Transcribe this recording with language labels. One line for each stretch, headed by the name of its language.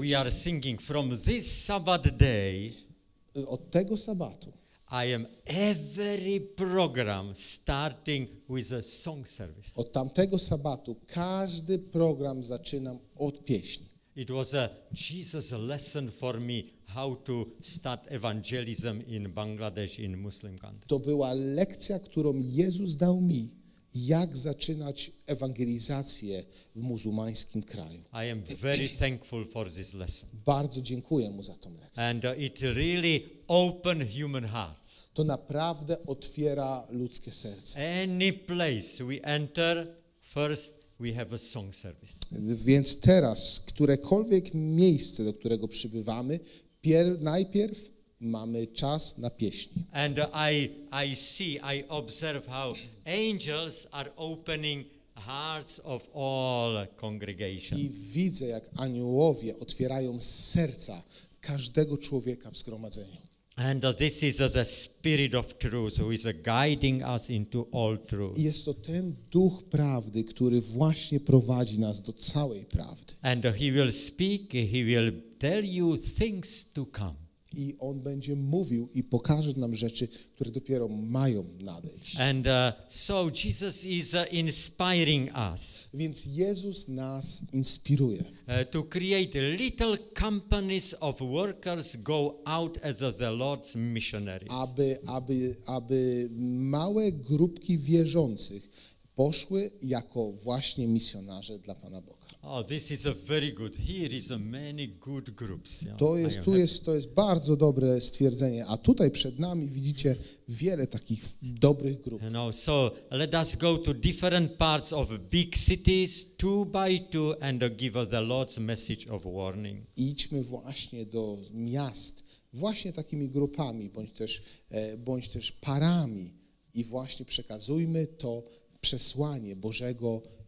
English: We are singing from this Sabbath day.
Polish: Od tego sabatu.
English: I am every program starting with a song service.
Polish: Od tamtego sabatu każdy program zaczynam od pieśni.
English: It was a Jesus lesson for me how to start evangelism in Bangladesh in Muslim country.
Polish: To była lekcja, którą Jezus dał mi, jak zaczynać ewangelizację w muzułmańskim kraju.
English: I am very thankful for this lesson.
Polish: Bardzo dziękuję mu za tą lekcję.
English: And it really opened human hearts.
Polish: To naprawdę otwiera ludzkie serce.
English: Any place we enter, first we have a song service.
Polish: Więc teraz, którekolwiek miejsce, do którego przybywamy, najpierw mamy czas na pieśni.
English: And I see, I observe how angels are opening hearts of all congregation.
Polish: I widzę, jak aniołowie otwierają serca każdego człowieka w zgromadzeniu.
English: And this is the spirit of truth who is guiding us into all truth.
Polish: Jest to ten duch prawdy, który właśnie prowadzi nas do całej prawdy.
English: And he will speak, he will tell you things to come.
Polish: I on będzie mówił i pokaże nam rzeczy, które dopiero mają nadejść.
English: And so Jesus is inspiring us.
Polish: Więc Jezus nas inspiruje.
English: To create little companies of workers go out as the Lord's missionaries.
Polish: Aby małe grupki wierzących poszły jako właśnie misjonarze dla Pana Boga.
English: Oh, this is a very good. Here is a many good groups. Yeah.
Polish: To jest bardzo dobre stwierdzenie. A tutaj przed nami widzicie wiele takich dobrych grup.
English: You know, so let us go to different parts of big cities, two by two, and give the Lord's message of warning.
Polish: Idźmy właśnie do miast, właśnie takimi grupami, bądź też parami, i właśnie przekazujmy to przesłanie Bożego.